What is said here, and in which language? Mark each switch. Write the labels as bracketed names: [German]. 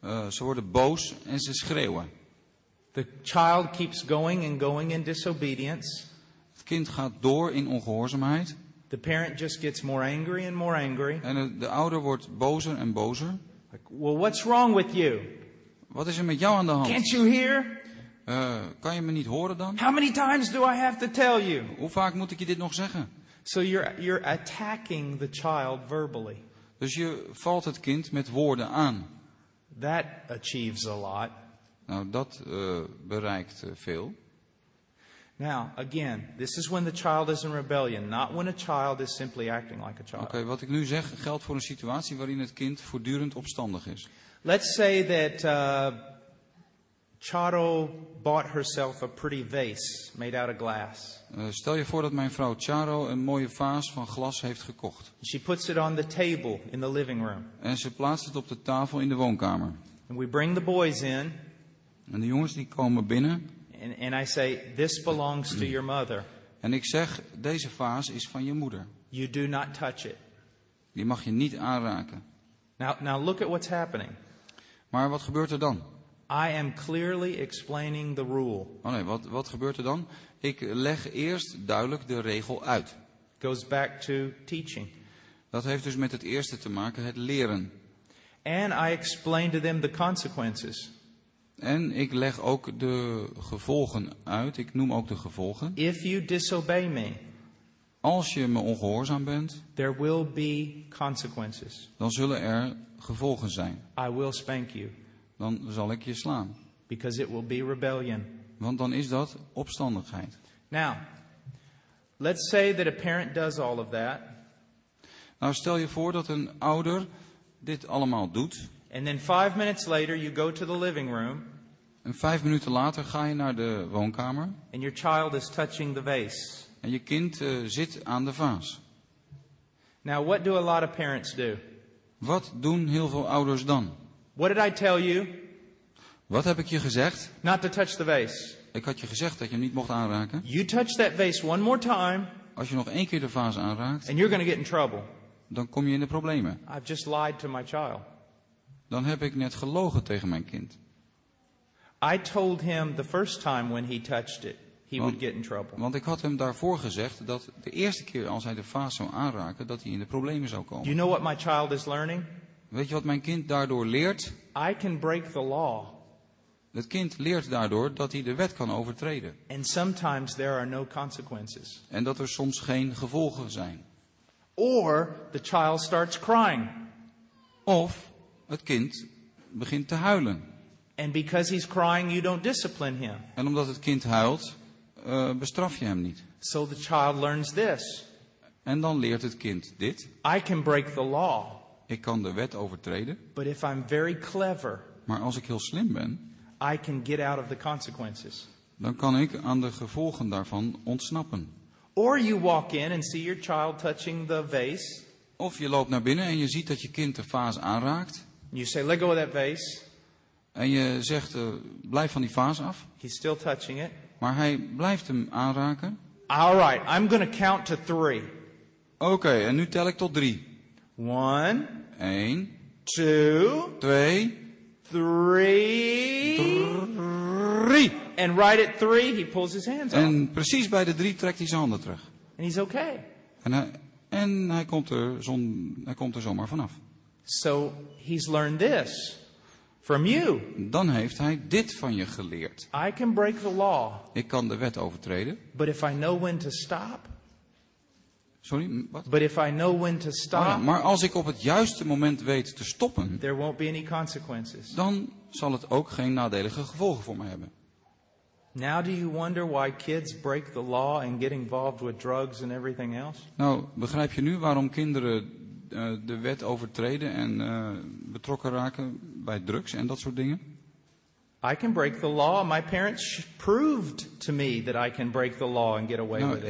[Dutch] Ze worden boos en ze schreeuwen. [English] The child keeps going and going in disobedience. [Dutch] Het kind gaat door in ongehoorzaamheid. [English] The parent just gets more angry and more angry. [Dutch] En de ouder wordt bozer en bozer. [English] Like, well, what's wrong with you? [Dutch] Wat is er met jou aan de hand? [English] Can't you hear? [Dutch] Kan je me niet horen dan? [English] How many times do I have to tell you? [Dutch] Hoe vaak moet ik je dit nog zeggen? [English] So you're attacking the child verbally. [Dutch] Dus je valt het kind met woorden aan. [English] That achieves a lot. [Dutch] Nou, dat bereikt veel. [English] Now, again, this is when the child is in rebellion, not when a child is simply acting like a child. [Dutch] Oké, wat ik nu zeg geldt voor een situatie waarin het kind voortdurend opstandig is. [English] Let's say that Charo bought herself a pretty vase made out of glass. [Dutch] Stel je voor dat mijn vrouw Charo een mooie vaas van glas heeft gekocht. [English] She puts it on the table in the living room. [Dutch] En ze plaatst het op de tafel in de woonkamer. [English] And we bring the boys in. [Dutch] En de jongens die komen binnen. [English] And I say, this belongs to your mother. [Dutch] En ik zeg, deze vaas is van je moeder. [English] You do not touch it. [Dutch] Die mag je niet aanraken. [English] Now look at what's happening. [Dutch] Maar wat gebeurt er dan? [English] I am clearly explaining the rule. [Dutch] Oh nee, wat gebeurt er dan? Ik leg eerst duidelijk de regel uit. [English] Goes back to teaching. [Dutch] Dat heeft dus met het eerste te maken, het leren. [English] And I explain to them the consequences. [Dutch] En ik leg ook de gevolgen uit. Ik noem ook de gevolgen. [English] If you disobey me, [Dutch] als je me ongehoorzaam bent, [English] there will be consequences. [Dutch] Dan zullen er gevolgen zijn. [English] I will spank you. [Dutch] Dan zal ik je slaan. [English] Because it will be rebellion. [Dutch] Want dan is dat opstandigheid. [English] Now, let's say that a parent does all of that. [Dutch] Nou, stel je voor dat een ouder dit allemaal doet. [English] And then 5 minutes later you go to the living room. [Dutch] En 5 minuten later ga je naar de woonkamer. [English] And your child is touching the vase. [Dutch] En je kind zit aan de vaas. [English] Now, what do a lot of parents do? [Dutch] Wat doen heel veel ouders dan? [English] What did I tell you? [Dutch] Wat heb ik je gezegd? [English] Not to touch the vase. [Dutch] Ik had je gezegd dat je hem niet mocht aanraken. [English] You touch that vase one more time. [Dutch] Als je nog één keer de vaas aanraakt. [English] And you're going to get in trouble. [Dutch] Dan kom je in de problemen. [English] I've just lied to my child. [Dutch] Dan heb ik net gelogen tegen mijn kind. [English] I told him the first time when he touched it, he would get in trouble. [Dutch] Want ik had hem daarvoor gezegd dat de eerste keer als hij de vaas zou aanraken, dat hij in de problemen zou komen. [English] You know what my child is learning? [Dutch] Weet je wat mijn kind daardoor leert? [English] I can break the law. [Dutch] Het kind leert daardoor dat hij de wet kan overtreden. [English] And sometimes there are no consequences. [Dutch] En dat er soms geen gevolgen zijn. [English] Or the child starts crying. [Dutch] Of het kind begint te huilen. [English] And because he's crying, you don't discipline him. [Dutch] En omdat het kind huilt, bestraf je hem niet. [English] So the child learns this. [Dutch] En dan leert het kind dit. [English] I can break the law. [Dutch] Ik kan de wet overtreden. [English] But if I'm very clever, [Dutch] maar als ik heel slim ben, [English] I can get out of the consequences. [Dutch] Dan kan ik aan de gevolgen daarvan ontsnappen. [English] Or you walk in and see your child touching the vase. [Dutch] Of je loopt naar binnen en je ziet dat je kind de vaas aanraakt. [English] You say, let go of that vase. [Dutch] En je zegt, blijf van die vaas af. [English] He's still touching it. [Dutch] Maar hij blijft hem aanraken. [English] All right, I'm going to count to three. [Dutch] Okay, en nu tel ik tot drie. [English] One. [Dutch] Eén. [English] Two. [Dutch] Twee. [English] Three. And right at three, he pulls his hands off. [Dutch] En precies bij de drie trekt hij zijn handen terug. [English] And he's okay. [Dutch] En hij komt er zomaar vanaf. [English] So he's learned this from you. [Dutch] Dan heeft hij dit van je geleerd. [English] I can break the law. [Dutch] Ik kan de wet overtreden. [English] But if I know when to stop. Sorry, what? But if I know when to stop. [Dutch] Oh ja, maar als ik op het juiste moment weet te stoppen. [English] There won't be any consequences. [Dutch] Dan zal het ook geen nadelige gevolgen voor me hebben. [English] Now do you wonder why kids break the law and get involved with drugs and everything else? [Dutch] Nou, begrijp je nu waarom kinderen de wet overtreden en betrokken raken bij drugs en dat soort dingen? [English] I can break the law. My parents proved to me that I can break the law and get away with it.